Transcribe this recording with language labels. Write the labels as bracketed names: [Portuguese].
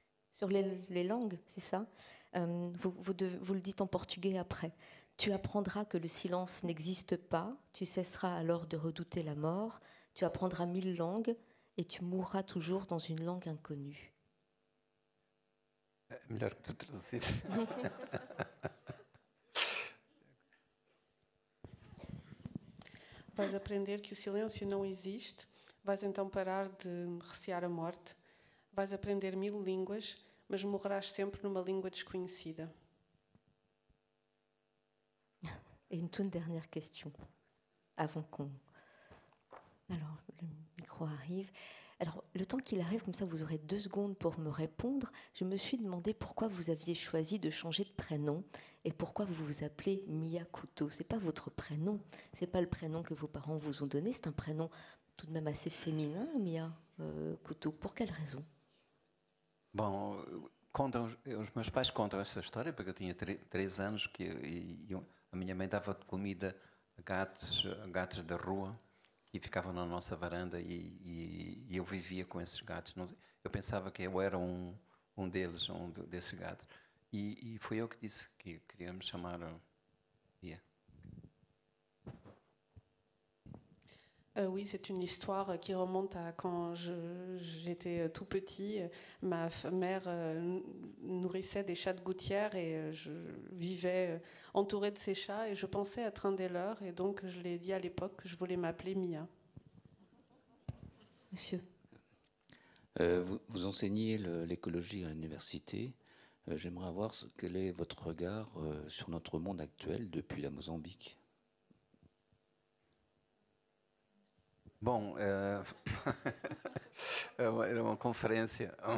[French] Sur les langues, c'est ça. Vous le dites en portugais après. Tu apprendras que le silence n'existe pas, tu cesseras alors de redouter la mort, tu apprendras 1000 langues et tu mourras toujours dans une langue inconnue. [Portuguese] Melhor que tu traduzires. Vais aprender que o silêncio não existe, vais então parar de recear a morte, vais aprender 1000 línguas, mas morrerás sempre numa língua desconhecida. [French] Et une toute dernière question, avant qu'on... Alors, le micro arrive. Alors, le temps qu'il arrive, comme ça, vous aurez 2 secondes pour me répondre. Je me suis demandé pourquoi vous aviez choisi de changer de prénom et pourquoi vous vous appelez Mia Kuto. Ce n'est pas votre prénom, ce n'est pas le prénom que vos parents vous ont donné. C'est un prénom tout de même assez féminin, Mia Kuto. Pour quelle raison ? Bon, [Portuguese] contam, os meus pais contam essa história, porque eu tinha 3 anos que a minha mãe dava de comida a gatos da rua e ficavam na nossa varanda e eu vivia com esses gatos. Eu pensava que eu era um deles, um desses gatos. E foi eu que disse que queria me chamar Pia. [French] Oui, c'est une histoire qui remonte à quand j'étais tout petit. Ma mère nourrissait des chats de gouttière et je vivais entourée de ces chats et je pensais être un des leurs. Et donc, je l'ai dit à l'époque que je voulais m'appeler Mia. Monsieur. Vous enseignez l'écologie à l'université. J'aimerais voir quel est votre regard sur notre monde actuel depuis la Mozambique. [Portuguese] Bon, era uma conferência.